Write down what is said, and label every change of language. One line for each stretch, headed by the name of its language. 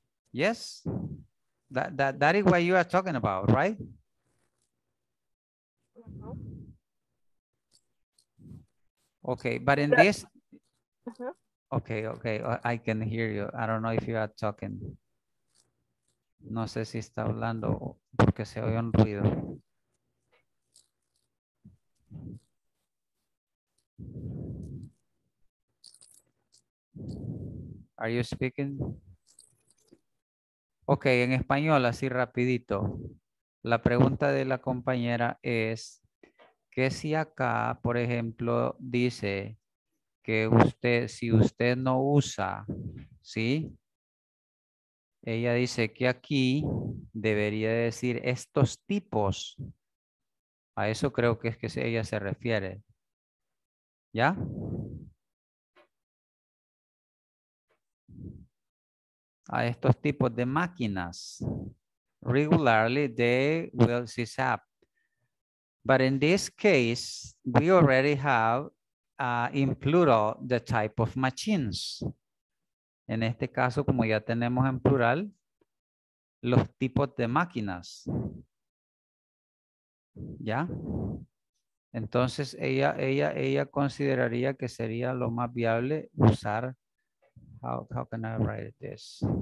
English: Yes, that is what you are talking about, right? Okay, but in this, okay, I can hear you. I don't know if you are talking.
Spanish: No sé si está hablando porque se oye un ruido.
English: Are you speaking?
Spanish: Okay, en español, así rapidito. La pregunta de la compañera es, que si acá, por ejemplo, dice que usted, si usted no usa, ¿sí? Ella dice que aquí debería decir estos tipos. A eso creo que es que ella se refiere. ¿Ya? A estos tipos de máquinas.
English: Regularly, they will seize up. But in this case, we already have in plural the type of machines.
Spanish: En este caso, como ya tenemos en plural, los tipos de máquinas. ¿Ya? Entonces, ella consideraría que sería lo más viable usar.
English: How can I write this?